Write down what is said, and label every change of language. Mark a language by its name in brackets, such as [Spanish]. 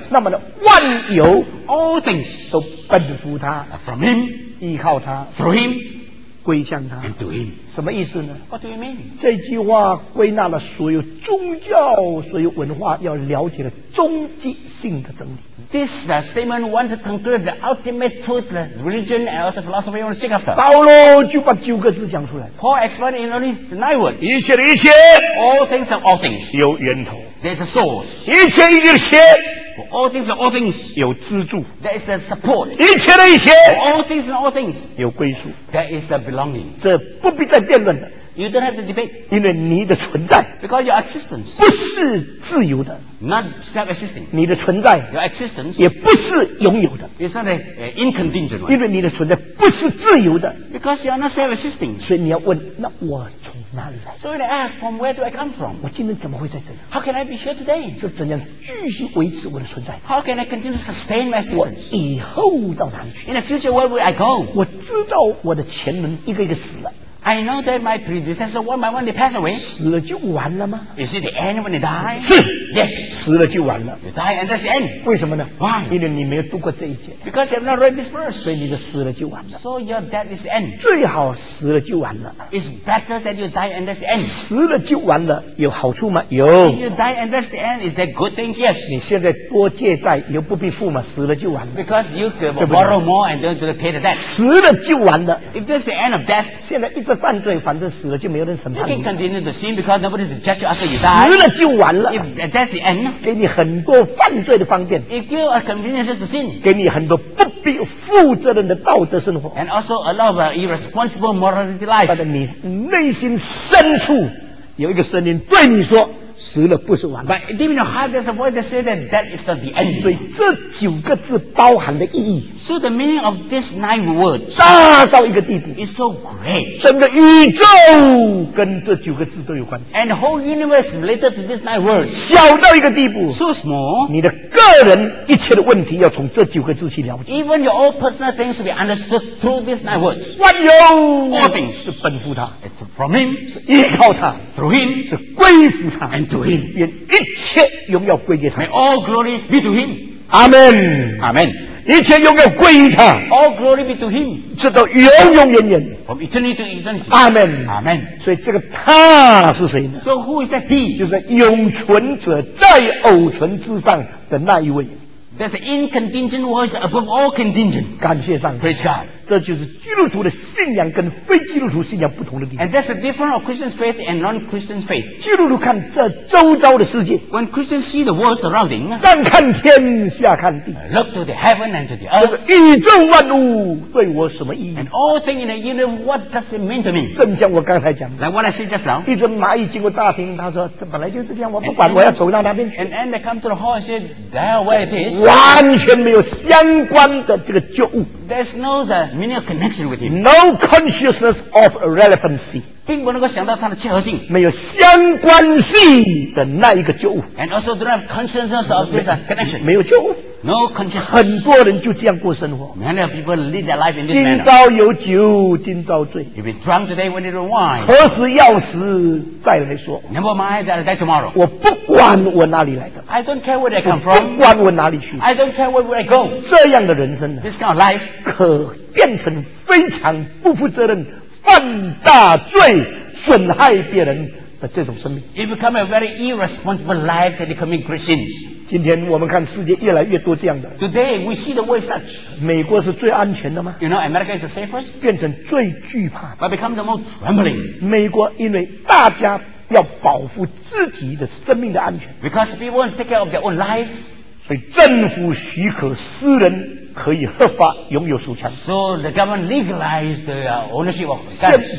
[Chinese] 那么呢万有 [English] all things [Chinese] 都奔赴他 [English] from him [Chinese] 依靠他 [English] through him [Chinese] 归向他 [English] and to him. [Chinese] 什么意思呢 [English] What do you mean? [Chinese] 这句话归纳了所有宗教所有文化要了解的终极性的真理 [English] This statement wants to conclude the ultimate truth the religion and also philosophy you want to seek after [Chinese] 保罗就把九个字讲出来 [English] Paul explained in only 9 words [Chinese] 一切的一切 [English] All things of all things [Chinese] 有源头 [English] There's a source [Chinese] 一切一切的一切 [English] For all things and all things, [Chinese] 有支柱 [English] There is the support. [Chinese] 一切的一切 [English] For all things and all things, [Chinese] 有归宿 [English] There is the belonging. [Chinese] 这不必再辩论的 [English] You don't have to debate. [Chinese] 因为你的存在 [English] Because your existence, [Chinese] 不是自由的 [English] Not self-existing. [Chinese] 你的存在 [English] Your existence, [Chinese] 也不是拥有的 [English] It's not an incontingent one. [Chinese] 因为你的存在不是自由的 [English] Because you are not self-existing. [Chinese] 所以你要问，那我从哪里来？ [English] So you ask, from where do I come from? [Chinese] 我今天怎么会在这里？ [English] How can I be here today? [Chinese] 是怎样继续维持我的存在？ [English] How can I continue to sustain my existence? [Chinese] 我以后到哪里去？ [English] In the future, where will I go? [Chinese] 我知道我的前轮一个一个死了。 [English] I know that my predecessor one by one they pass away. [Chinese] 死了就完了吗？ [English] Is it the end when they die? [Chinese] 是。 [English] Yes. [Chinese] 死了就完了。 [English] You die and that's the end. [Chinese] 为什么呢？ [English] Why? [Chinese] 因为你没有度过这一劫。 [English] Because you have not read this verse. [Chinese] 所以你的死了就完了。 [English] So your death is the end. [Chinese] 最好死了就完了。 [English] It's better that you die and that's the end. [Chinese] 死了就完了，有好处吗？有。 [English] If you die and that's the end, is that good things? Yes. [Chinese] 你现在多借债，又不必付嘛，死了就完了。 [English] Because you could borrow more and don't have to pay the debt. [Chinese] 死了就完了。 [English] If that's the end of death, [Chinese] 现在一直犯罪，反正死了就没有人审判你。 [English] You can continue the sin because nobody will judge you after you die. [Chinese] 死了就完了。 [English] If that's the end. [Chinese] 给你很多犯罪的方便 [English] If you are convenient to sin, [Chinese] 给你很多不必负责任的道德生活 [English] and also a lot of irresponsible morality life [Chinese] 但是你内心深处有一个声音对你说死了不是完了 [English] But deep in your heart there's a voice that says that that is not the end [Chinese] 所以这九个字包含的意义 [English] So the meaning of this 9 words [Chinese] 大到一个地步 [English] is so great [Chinese] 整个宇宙跟这九个字都有关系 [English] And the whole universe related to this 9 words [Chinese] 小到一个地步 [English] So small [Chinese] 你的个人一切的问题要从这九个字去了解 [English] Even your own personal things to be understood through this 9 words [Chinese] 万有 [English] All things [Chinese] 是奔赴他 [English] It's from him [Chinese] 是依靠他 [English] Through him [Chinese] 是归附他 [English] To him, [Chinese] 愿一切荣耀归给他。 [English] May all glory be to him. Amen. Amen. [Chinese] 一切荣耀归于他。 [English] All glory be to him. [Chinese] 直到永永远远。 [English] From eternity to eternity. Amen. Amen. [Chinese] 所以这个他是谁呢 [English] ？So who is that he? [Chinese] 就是永存者在偶存之上的那一位。 [English] That's the incontingent words above all contingent. [Chinese] 感谢上帝。 [English] Praise God. [Chinese] 这就是基督徒的信仰跟非基督徒信仰不同的地方。 [English] And that's the difference of Christian faith and non-Christian faith. [Chinese] 基督徒看这周遭的世界。 [English] When Christians see the world surrounding, [Chinese] 上看天，下看地。 [English] Look to the heaven and to the earth. [Chinese] 宇宙万物对我什么意义 [English] ？And all things in the universe, what does it mean to me? [Chinese] 正像我刚才讲的。 [English] Like what I said just now. [Chinese] 一只蚂蚁经过大厅，他说：“这本来就是这样，我不管，我要走到那边去。 [English] ”And then they come to the hall and say, "There where it is." [Chinese] 完全没有相关的这个觉悟。 [English] There's no the meaning of connection with him. No consciousness of relevancy. [Chinese] 并不能够想到它的契合性。没有相关性的那一个觉悟。 [English] And also don't have consciousness of this connection. [Chinese] 没有觉悟。 [English] No consciousness. [Chinese] 很多人就这样过生活。 [English] Many people live their life in this manner. [Chinese] 今朝有酒今朝醉。 [English] You've been drunk today when you're wine. [Chinese] 何时要死再来说。 [English] Never mind that day tomorrow. [Chinese] 我不管我哪里来的。 [English] I don't care where they come from. [Chinese] 不管我哪里去。 [English] I don't care where I go. [Chinese] 这样的人生呢。 [English] This kind of life. [Chinese] 可变成非常不负责任犯大罪损害别人的这种生命。 [English] You become a very irresponsible life that you commit great sins. [Chinese] 今天我们看世界越来越多这样的。 [English] Today we see the world such. [Chinese] 美国是最安全的吗 [English] ？You know, America is the safest. [Chinese] 变成最惧怕。 [English] But become the most trembling. [Chinese] 美国因为大家要保护自己的生命的安全。 [English] Because people want to take care of their own life. [Chinese] 所以政府许可私人可以合法拥有手枪。 [English] So the government legalized the ownership of guns.